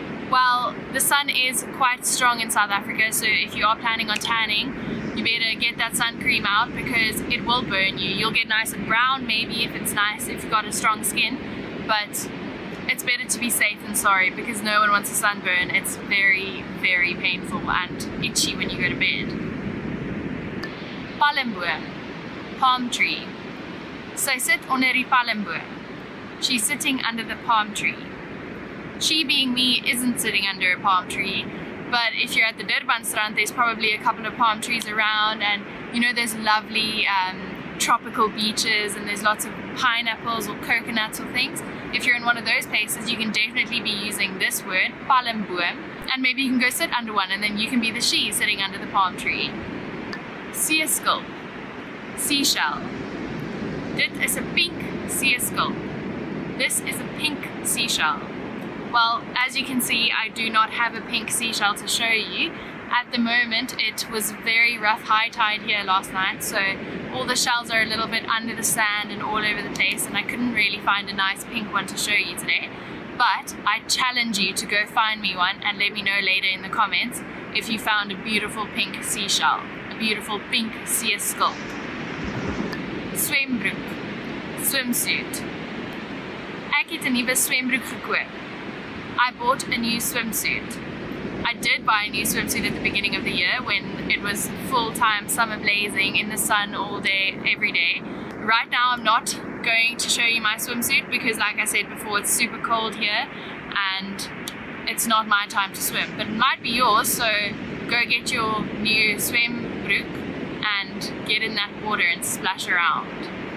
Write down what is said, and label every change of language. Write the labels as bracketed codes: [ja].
[en] Well, the sun is quite strong in South Africa, so if you are planning on tanning, you better get that sun cream out because it will burn you. You'll get nice and brown, maybe, if it's nice, if you've got a strong skin, but it's better to be safe than sorry because no one wants a sunburn. It's very, very painful and itchy when you go to bed. Palmboom, palm tree. [af] Sy sit onder die palmboom. [en] She's sitting under the palm tree. She, being me, isn't sitting under a palm tree, but if you're at the Durban strand, there's probably a couple of palm trees around, and you know there's lovely tropical beaches and there's lots of pineapples or coconuts or things. If you're in one of those places, you can definitely be using this word, palmboom, and maybe you can go sit under one and then you can be the she sitting under the palm tree. Seaskulp, seashell. Dit is a pink seaskulp. This is a pink seashell. Well, as you can see, I do not have a pink seashell to show you. At the moment, it was very rough high tide here last night, so all the shells are a little bit under the sand and all over the place, and I couldn't really find a nice pink one to show you today. But I challenge you to go find me one and let me know later in the comments if you found a beautiful pink seashell, a beautiful pink seaskull. Swembroek, swimsuit. [af] Ek het 'n nuwe swembroek gekoop. [en] I bought a new swimsuit. I did buy a new swimsuit at the beginning of the year when it was full-time summer blazing in the sun all day, every day. Right now I'm not going to show you my swimsuit because, like I said before, it's super cold here and it's not my time to swim, but it might be yours, so go get your new swembroek and get in that water and splash around.